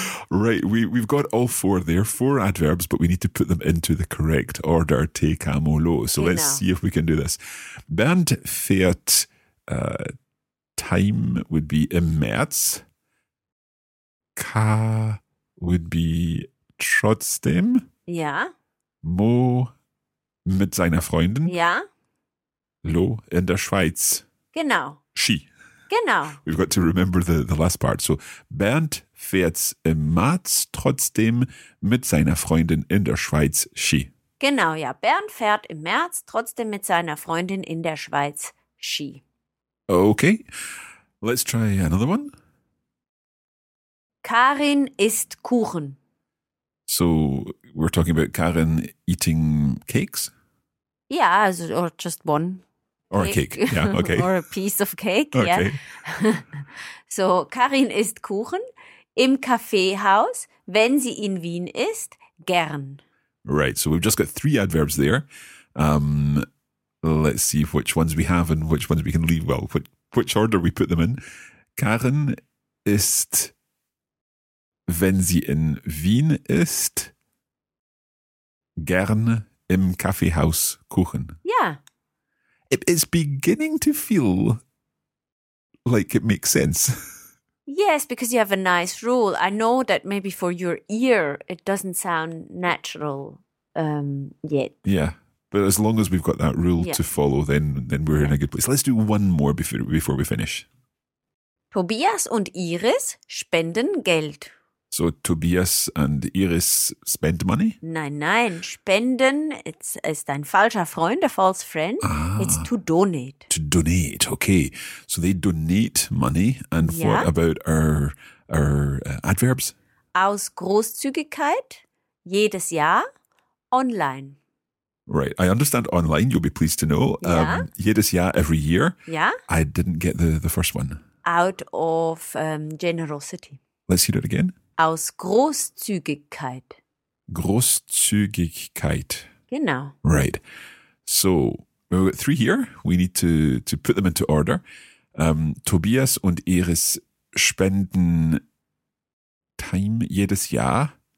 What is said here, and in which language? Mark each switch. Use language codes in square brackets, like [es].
[en] Right. We've got all four there, four adverbs, but we need to put them into the correct order, te camo lo. So okay, let's see if we can do this. [de] Bernd fährt, [en] time would be [de] im März. [en] Ka would be trotzdem. Yeah. [de] Mo mit seiner Freundin. Ja. Lo in der Schweiz. Genau. [en] She. [de] Genau. [en] We've got to remember the last part. [de] So Bernd fährt im März trotzdem mit seiner Freundin in der Schweiz. [en] She. [de] Genau, ja. Bernd fährt im März trotzdem mit seiner Freundin in der Schweiz. [en] She. Okay. Let's try another one. [de] Karin isst Kuchen. [en] So we're talking about Karin eating cakes? Yeah, or just one. Or cake. A cake, yeah, okay. Or a piece of cake, okay. Yeah. [de] So Karin isst Kuchen im Kaffeehaus, wenn sie in Wien ist, gern. [en] Right, so we've just got three adverbs there. Let's see which ones we have and which ones we can leave. Well, which order we put them in. [de] Karin isst, wenn sie in Wien ist, gern im Kaffeehaus Kuchen. [en] Yeah. It's beginning to feel like it makes sense. Yes, because you have a nice rule. I know that maybe for your ear it doesn't sound natural yet. Yeah, but as long as we've got that rule to follow, then we're in a good place. Let's do one more before we finish. [de] Tobias und Iris spenden Geld. [en] So Tobias and Iris spend money? [de] Nein, spenden, ist ein falscher Freund, [en] a false friend. Ah, it's to donate. To donate, okay. So they donate money. And what about our adverbs? [de] Aus Großzügigkeit, jedes Jahr, online. [en] Right, I understand online, you'll be pleased to know. Yeah. [de] Jedes Jahr, [en] every year. Yeah. I didn't get the first one. Out of generosity. Let's hear it again. [de] Aus Großzügigkeit. Großzügigkeit. Genau. [en] Right. So, we've got three here. We need to put them into order. [de] Tobias und Iris spenden [en] time [de] jedes Jahr.